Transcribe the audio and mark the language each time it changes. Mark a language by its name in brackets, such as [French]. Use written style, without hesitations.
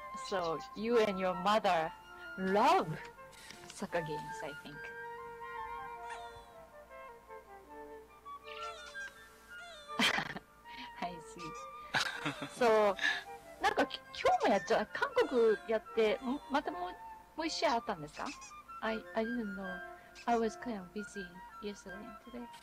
[English] So, you and your mother love soccer games, I think. I see. [Japanese] So, なんか今日もやっちゃう、韓国やって、またもう一試合あったんですか？ [English] I didn't know. I was kind of busy yesterday and today.